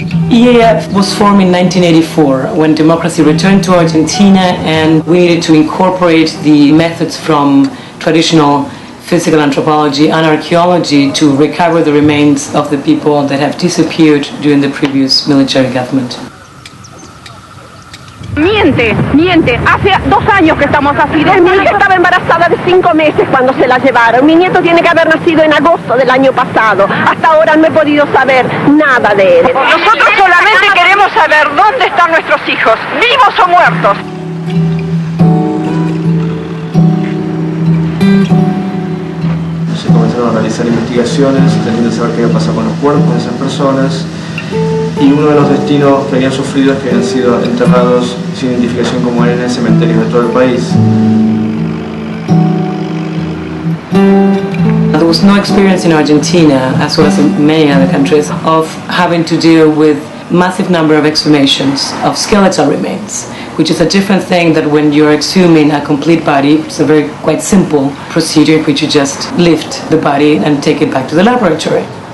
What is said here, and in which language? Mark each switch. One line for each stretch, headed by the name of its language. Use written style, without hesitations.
English: EAAF was formed in 1984 when democracy returned to Argentina, and we needed to incorporate the methods from traditional physical anthropology and archaeology to recover the remains of the people that have disappeared during the previous military government.
Spanish: Miente, miente. Hace dos años que estamos así. Mi hija estaba embarazada de cinco meses cuando se la llevaron. Mi nieto tiene que haber nacido en agosto del año pasado. Hasta ahora no he podido saber nada de él. Nosotros solamente queremos saber dónde están nuestros hijos, vivos o muertos. Se comenzaron a realizar investigaciones, tratando de saber qué había pasado con los cuerpos de esas personas. Y uno de los destinos que habían sufrido es que habían sido enterrados sin identificación como eran en cementerios de todo el país.
English: There was no experience in Argentina, as well as in many other countries, of having to deal with massive number of exhumations of skeletal remains, which is a different thing than when you're exhuming a complete body. It's a very quite simple procedure in which you just lift the body and take it back to the laboratory.